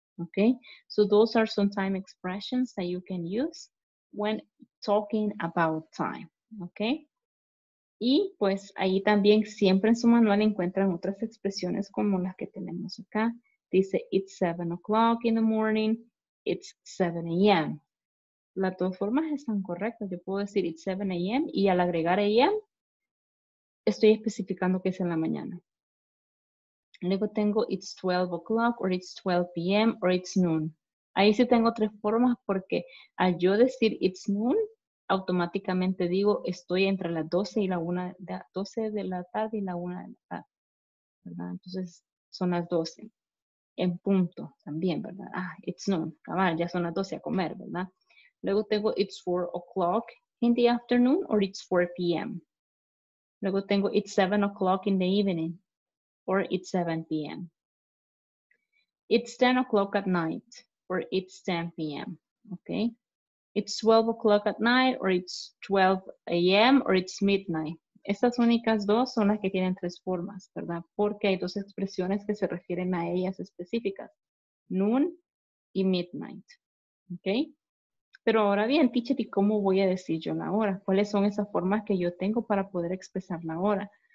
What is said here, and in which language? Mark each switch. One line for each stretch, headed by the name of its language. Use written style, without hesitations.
English: Okay, so those are some time expressions that you can use when talking about time.
Spanish: Okay, y pues ahí también siempre en su manual encuentran otras expresiones como las que tenemos acá. Dice,
English: it's 7 o'clock in the morning, it's 7 a.m.
Spanish: Las dos formas están correctas. Yo puedo decir,
English: it's 7 a.m.
Spanish: y al agregar a.m., estoy especificando que es en la mañana. Luego tengo
English: it's 12 o'clock or it's 12 p.m. or it's noon.
Spanish: Ahí sí tengo tres formas porque al yo decir
English: it's noon,
Spanish: automáticamente digo estoy entre las 12 de la tarde y la 1 de la tarde, ¿verdad? Entonces son las 12 en punto también, ¿verdad? Ah,
English: it's noon.
Spanish: Cabal, ya son las 12 a comer, ¿verdad? Luego tengo
English: it's 4 o'clock in the afternoon or it's 4 p.m.
Spanish: Luego tengo
English: it's 7 o'clock in the evening. Or it's 7 p.m. It's 10 o'clock at night, or it's 10 p.m., okay? It's 12 o'clock at night, or it's 12 a.m., or it's midnight.
Spanish: estas únicas dos son las que tienen tres formas, ¿verdad? Porque hay dos expresiones que se refieren a ellas específicas. Noon y midnight. ¿Ok? Pero ahora bien, teacher, ¿y cómo voy a decir yo la hora? ¿Cuáles son esas formas que yo tengo para poder expresar la hora?